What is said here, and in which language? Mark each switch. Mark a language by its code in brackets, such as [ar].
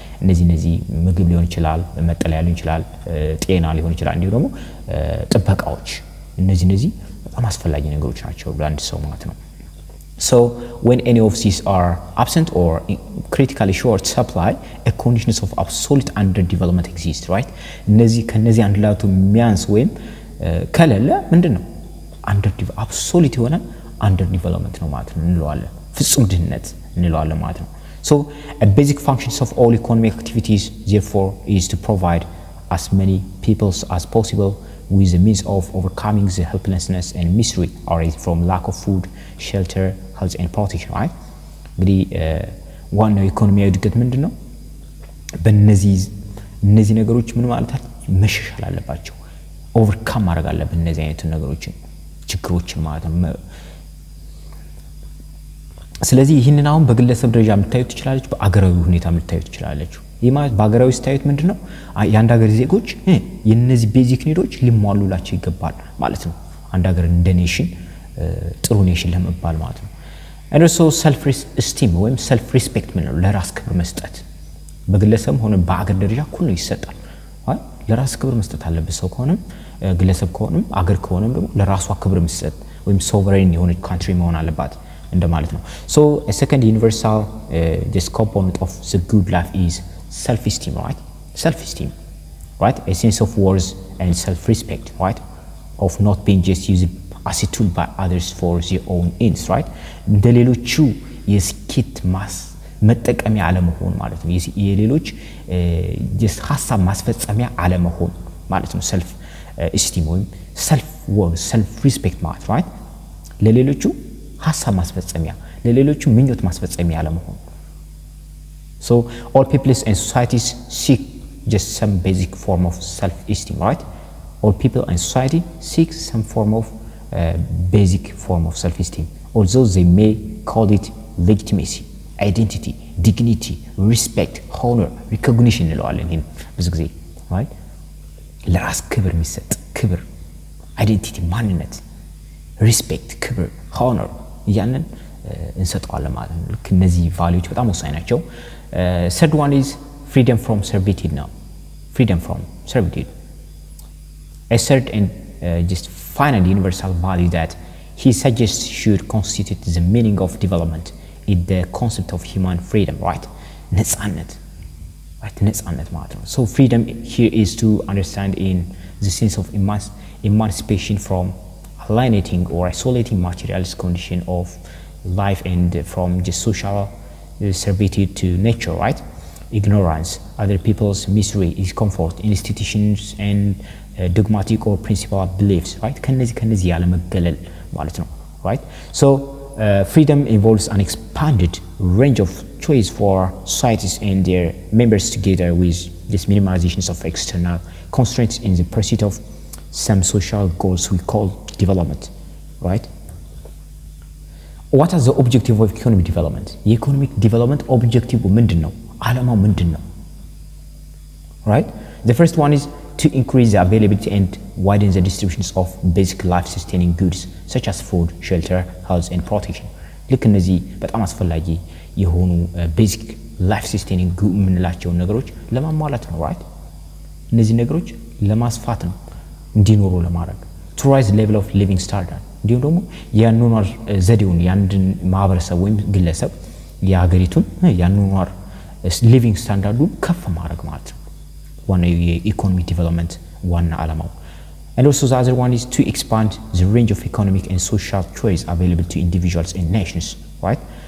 [am] እነዚ ምግብ ሊሆን ይችላል መጠለያ ሊሆን ይችላል ጤና ሊሆን ይችላል እንዲሁም ደግሞ ጥበቃዎች እነዚ በጣም አስፈላጊ ነገሮች ናቸው ለአንድ ሰው ማለት ነው። [en] So when any of these are absent or critically short supply, a condition of absolute underdevelopment exists, right? [am] እነዚ ከነዚ አንድ ላቱ ሚያንስ ወይም ከሌለ ምንድነው underdeveloped absolute የሆነ underdevelopment ነው ማለት ነው እንለዋለን ፍጹም ድህነት እንለዋለን ማለት ነው። [en] So a basic function of all economic activities therefore is to provide as many people as possible with the means of overcoming the helplessness and misery arising from lack of food, shelter, health and protection, right? [am] ግዲ ዋናው ኢኮኖሚያዊ እድገት ምንድነው? በእነዚህ ነገሮች ምን ማለት መሻሻል አለባቸው overcome ማድረግ አለብን እነዚህ አይነት ነገሮች ችግሮችን ማለት ነው። ስለዚህ ይሄንን አሁን በግለሰብ ደረጃ ምታዩት ይችላልች በአገራዊ ሁኔታ ምታዩት ይችላልች። ይሄ ማለት በአገራዊ ስታዩት ምንድነው አንድ ሀገር ዜጎች የነዚህ ቤዚክ ኒዶች ሊሟሉላቸው ይገባል ማለት ነው። አንድ ሀገር እንደ ኔሽን ጥሩ ኔሽን ለመባል ማለት ነው። [en] and also self esteem [am] ወይም self respect ምን ነው ለራስ ክብር መስጠት በግለሰብ ሆነ በአገር ደረጃ ሁሉ ይሰጣል አይደል? ለራስ ክብር መስጠት አለበት ሰው ከሆነም ግለሰብ ከሆነም አገር ከሆነም ደግሞ ለራሷ ክብር መስጠት ወይም ሶቨሬን የሆነ ካንትሪ መሆን አለባት እንደማለት ነው። [en] so a second universal this component of the good life is self esteem, right? self esteem, right? a sense of worth and self respect, right? of not being just used as a tool by others for your own ends, right? [am] ለሌሎቹ የስኬት መጠቀሚያ አለመሆን ማለት ነው። የሌሎች just ሐሳብ ማስፈጸሚያ አለመሆን ማለት ነው። self esteem ወይም self worth self respect ማለት right? ለሌሎቹ ሐሳብ ማስፈጸሚያ ለሌሎቹ ምኞት ማስፈጸሚያ አለመሆን። [en] so all people and societies seek just some basic form of self esteem, right? all people and society seek some form of basic form of self esteem although they may call it legitimacy, identity, dignity, respect, honor, recognition [am] እንለዋለን ብዙ ጊዜ [en] right? [am] ለራስ ክብር የሚሰጥ ክብር አይደንቲቲ ማንነት ሪስፔክት ክብር ሆነር ያንን እንሰጣለ ማለት ነው። ልክ እነዚህ ቫልዩዎች በጣም ወሳኝ ናቸው። [en] ሰርድ ዋን ኢዝ freedom from servitude now. Freedom from servitude. Assert and just finally universal value that he suggests should constitute the meaning of development in the concept of human freedom, right? [am] ነጻነት. Right, ነጻነት ማለት ነው. [en] So freedom here is to understand in the sense of emancipation from alienating or isolating materialist condition of life and from just social servitude to nature, right? Ignorance, other people's misery, discomfort, institutions and dogmatic or principled beliefs, right? [am] ከነዚህ ያለ መገለል ማለት ነው, right? [en] So freedom involves an expanded range of choice for societies and their members together with this minimization of external constraints in the pursuit of some social goals we call development, right? What is the objective of economic development? Economic development objective [am] ምንድነው? አላማ ምንድነው? [en] Right? The first one is to increase the availability and widen the distribution of basic life sustaining goods such as food, shelter, house and protection. [am] ልክ እነዚህ በጣም አስፈላጊ የሆኑ [en] basic life sustaining goods [am] ምንላቸው ነገሮች ለማሟላት ነው, right? እነዚህ ነገሮች ለማስፋት ነው, እንዲኖሩ ለማድረግ. [en] To rise the level of living standard. [am] እንዲሁም ደግሞ የአኗኗር ዘዴውን የአንድን ማህበረሰብ ወይም ግለሰብ የሀገሪቱን የአኗኗር ሊቪንግ ስታንዳርዱን ከፍ ማድረግ ማለት ነው። ዋናው የኢኮኖሚ ዲቨሎፕመንት ዋና አላማው። [en] And also the other one is to expand the range of economic and social choice available to individuals and nations, right?